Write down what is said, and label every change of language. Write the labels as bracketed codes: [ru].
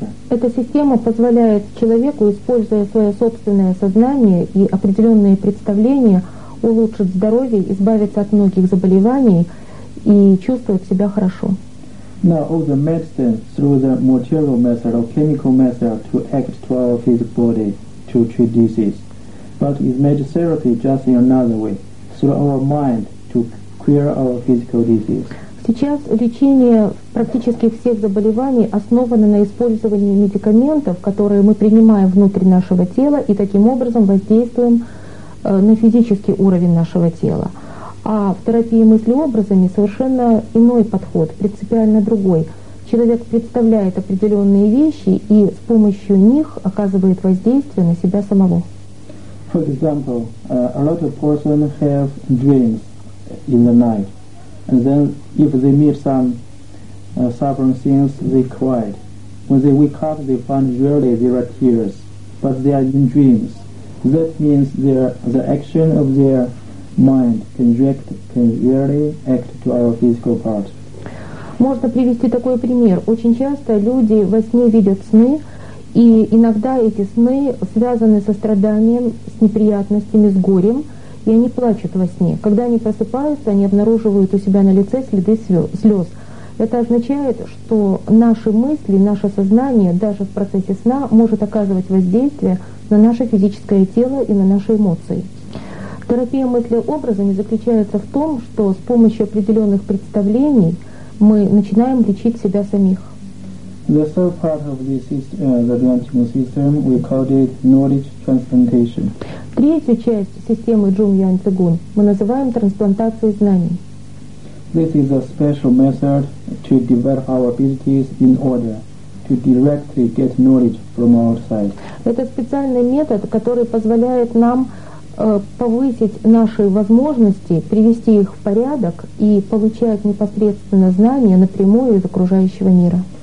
[ru] Эта система позволяет человеку, используя свое собственное сознание и определенные представления, улучшить здоровье, избавиться от многих заболеваний и чувствовать себя хорошо. [en] Now all the medicine through the material method or chemical method to act to our physical body to treat disease. But image therapy just in another way, through our mind to cure our physical disease. [ru] Сейчас лечение практически всех заболеваний основано на использовании медикаментов, которые мы принимаем внутрь нашего тела и таким образом воздействуем на физический уровень нашего тела. А в терапии мыслеобразами совершенно иной подход, принципиально другой. Человек представляет определенные вещи и с помощью них оказывает воздействие на себя самого. [en] For example, a lot of person have dreams in the night. And then, if they meet some suffering things, they cried. When they wake up, they find really there are tears, but they are in dreams. That means the action of their mind can really act to our physical part. [ru] Можно привести такой пример. Очень часто люди во сне видят сны, и иногда эти сны связаны со страданием, с неприятностями, с горем. И они плачут во сне. Когда они просыпаются, они обнаруживают у себя на лице следы слез. Это означает, что наши мысли, наше сознание, даже в процессе сна, может оказывать воздействие на наше физическое тело и на наши эмоции. Терапия мыслеобразами заключается в том, что с помощью определенных представлений мы начинаем лечить себя самих. [en] The third part of this system we call it knowledge transplantation. [ru] Третью часть системы Zhongyuan Cigun мы называем трансплантацией знаний. [en] This is a special method to develop our abilities in order to directly get knowledge from outside. [ru] Это специальный метод, который позволяет нам повысить наши возможности, привести их в порядок и получать непосредственно знания напрямую из окружающего мира.